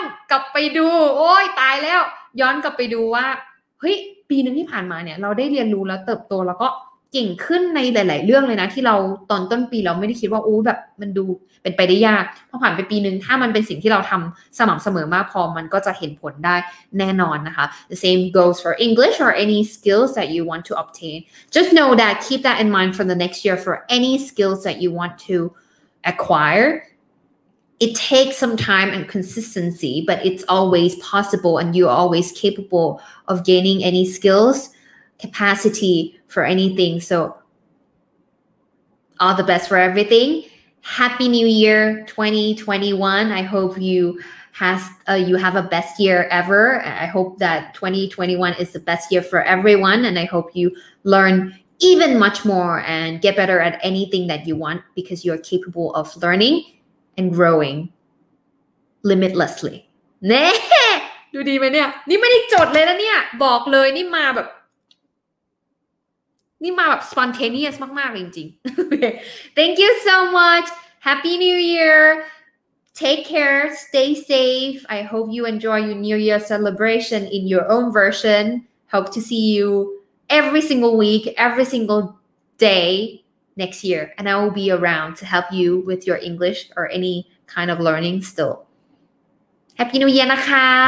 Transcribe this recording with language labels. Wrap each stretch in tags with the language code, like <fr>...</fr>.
<th>กลับไปดูโอ้ยตายแล้วย้อนกลับไปดูว่าเฮ้ยปีนึงที่ผ่านมาเนี่ยเราได้เรียนรู้แล้วเติบโตแล้วก็เก่งขึ้นในหลายๆเรื่องเลยนะที่เราตอนต้นปีเราไม่ได้คิดว่าโอ้แบบมันดูเป็นไปได้ยากพอผ่านไปปีนึงถ้ามันเป็นสิ่งที่เราทำสม่ำเสมอมากพอมันก็จะเห็นผลได้แน่นอนนะคะ</th> <en>The same goes for English or any skills that you want to obtain Just know that keep that in mind for the next year for any skills that you want to acquire it takes some time and consistency, but it's always possible and you're always capable of gaining any skills, capacity for anything. So all the best for everything. Happy New Year 2021. I hope you have a best year ever. I hope that 2021 is the best year for everyone. And I hope you learn even much more and get better at anything that you want because you are capable of learning and growing limitlessly.</en> <th>ดูดีมั้ยเนี่ยนี่ไม่ได้จดเลยนะเนี่ยบอกเลยนี่มาแบบ spontaneous มากๆจริงๆ</th> <en>Thank you so much. Happy New Year. Take care. Stay safe. I hope you enjoy your New Year celebration in your own version. Hope to see you every single week, every single day. Next year, and I will be around to help you with your English or any kind of learning still. Happy New Year, นะคะ.</en>